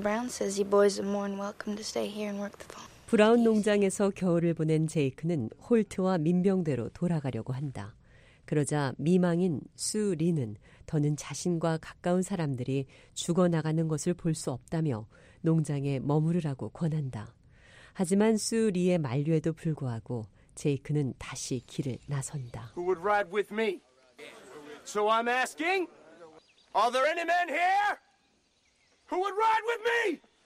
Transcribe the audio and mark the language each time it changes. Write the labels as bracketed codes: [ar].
[en] Brown says you boys are more than welcome to stay here and work the farm. [ko] 브라운 농장에서 겨울을 보낸 제이크는 홀트와 민병대로 돌아가려고 한다. 그러자 미망인 수 리는 더는 자신과 가까운 사람들이 죽어나가는 것을 볼 수 없다며 농장에 머무르라고 권한다. 하지만 수 리의 만류에도 불구하고 제이크는 다시 길을 나선다. [en] Who would ride with me? So I'm asking, are there any men here who would ride with me?